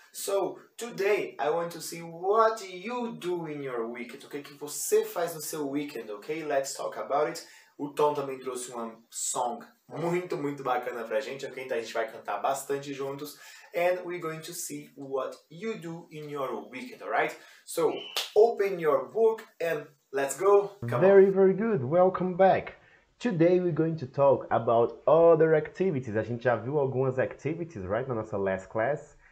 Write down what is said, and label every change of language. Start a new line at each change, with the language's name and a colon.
English: So, today, I want to see what you do in your weekend.
Portuguese: O que, que você faz no seu weekend, okay?
English: Let's talk about it.
Portuguese: O Tom também trouxe uma song muito, muito bacana pra gente, ok? Então a gente vai cantar bastante juntos.
English: And we're going to see what you do in your weekend, alright? So, open your book and let's go! Come very, on. Very good! Welcome back! Today we're going to talk about other activities.
Portuguese: A gente já viu algumas
English: activities, right,
Portuguese: na nossa
English: last class?